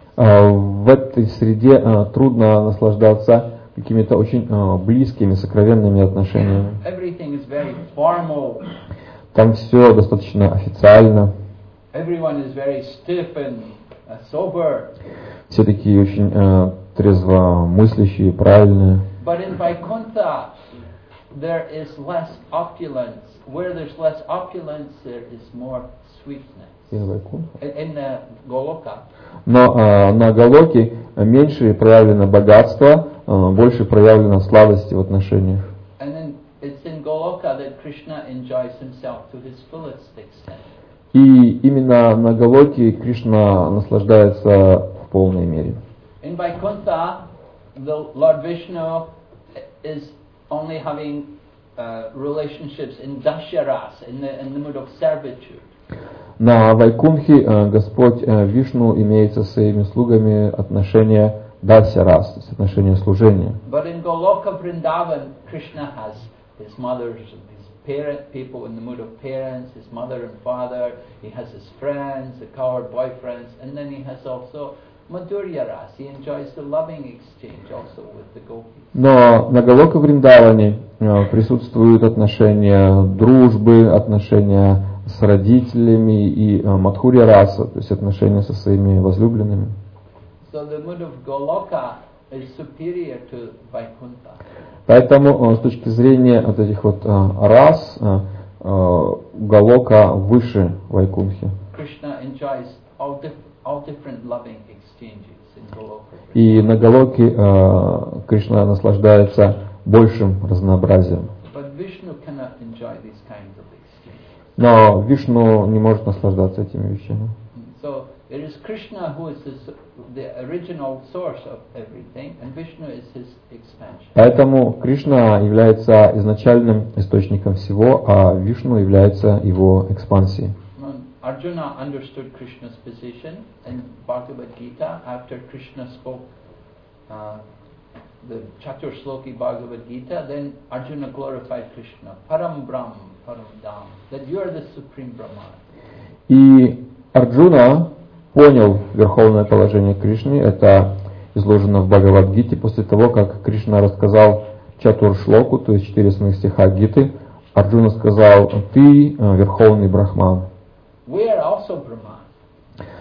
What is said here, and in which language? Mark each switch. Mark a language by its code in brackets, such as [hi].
[ru] В этой среде трудно наслаждаться какими-то очень близкими, сокровенными отношениями. [en] Everything is very formal. [ru] Там все достаточно официально. [en] Everyone is very stiff and sober. [ru] Все такие очень трезвомыслящие, правильные. [en] But in Vaikuntha, there is less opulence. Where there's less opulence, there is more sweetness. In Vaikuntha. In Goloka. [ru] Но на Голоке меньше проявлено богатство, больше проявлено сладости в отношениях. [en] And then it's in Goloka that Krishna enjoys himself to his fullest extent. [ru] И именно на Голоке Кришна наслаждается в полной мере. [en] In Vaikuntha, the Lord Vishnu is only having relationships in Dasharas, in the mood of servitude. [ru] На Вайкунхе Господь Вишну имеет со своими слугами отношения дасярас, с отношения служения. [en] But in Goloka Vrindavan, Krishna has his mother's parent people in the mood of parents, his mother and father, he has his friends, the cowherd boyfriends, and then he has also Madhurya-ras. He enjoys the loving exchange also with the gopis. [ru] Но на Голока Вриндаване присутствуют отношения дружбы, отношения с родителями и Мадхурья-раса, то есть отношения со своими возлюбленными. [en] So the mood of Goloka is superior to Vaikuntha. [ru] Поэтому с точки зрения вот этих вот рас, Голока выше Вайкунхи. [en] Krishna enjoys all different loving exchanges in Goloka. [ru] И на Голоке Кришна наслаждается большим разнообразием. [en] But Vishnu cannot enjoy these kinds of exchanges. [ru] Но Вишну не может наслаждаться этими вещами. [en] So it is Krishna who is the original source of everything, and Vishnu is his expansion. [ru] Поэтому Кришна является изначальным источником всего, а Вишну является его экспансией. [en] Arjuna understood Krishna's position in Bhagavad Gita after Krishna spoke the Chaturshloki Bhagavad Gita. Then Arjuna glorified Krishna, [sa] Param Brahm, Param Dham, [en] that you are the supreme Brahma. [ru] И Арджуна понял верховное положение Кришны, это изложено в Бхагавад-гите, после того, как Кришна рассказал Чатур-шлоку, то есть четыре основных стиха Гиты, Арджуна сказал, ты верховный Брахман. [en] We are also Brahman.